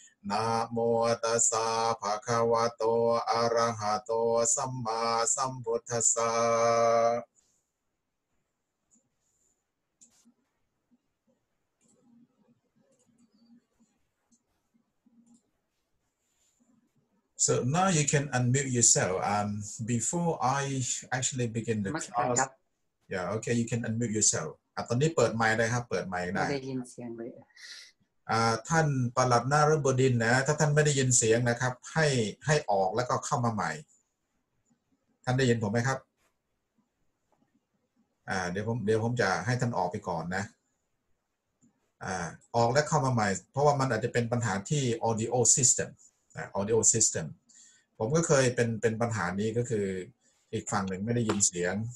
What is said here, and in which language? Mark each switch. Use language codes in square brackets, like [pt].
[pi] นะโมตัสสะภะคะวะโตอะระหะโตสัมมาสัมพุทธัสสะ [en] So now you can unmute yourself. Before I actually begin the class, yeah, okay, you can unmute yourself. [th] ตอนนี้เปิดไมค์ได้ครับเปิดไมค์ได้ ไม่ได้ยินเสียงเลย ท่านปลัดนฤบดินทร์นะถ้าท่านไม่ได้ยินเสียงนะครับให้ออกแล้วก็เข้ามาใหม่ท่านได้ยินผมไหมครับเดี๋ยวผมจะให้ท่านออกไปก่อนนะออกและเข้ามาใหม่เพราะว่ามันอาจจะเป็นปัญหาที่ audio systemaudio system ผมก็เคยเป็นปัญหานี้ก็คืออีกฝั่งหนึ่งไม่ได้ยินเสียง